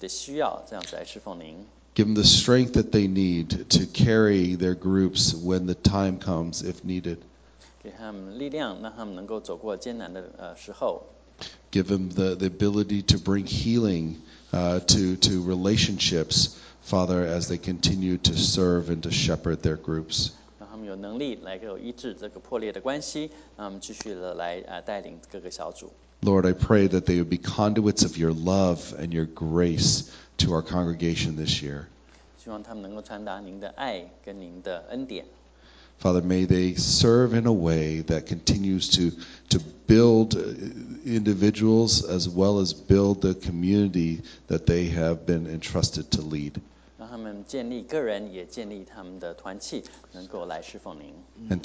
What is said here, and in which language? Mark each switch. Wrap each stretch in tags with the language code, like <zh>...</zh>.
<en>Give them the strength that they need to carry their groups when the time comes, if needed. Give them the ability to bring healing to relationships, Father, as they continue to serve and to shepherd their groups.</en> <zh>有能力来够医治这个破裂的关系，那我们继续的来带领各个小组。</zh> <en>Lord, I pray that they would be conduits of your love and your grace to our congregation this year.</en> <zh>望他们能够传达您的爱跟您的恩典。</zh> <en>Father, may they serve in a way that continues to build individuals as well as build the community that they have been entrusted to lead. And</en>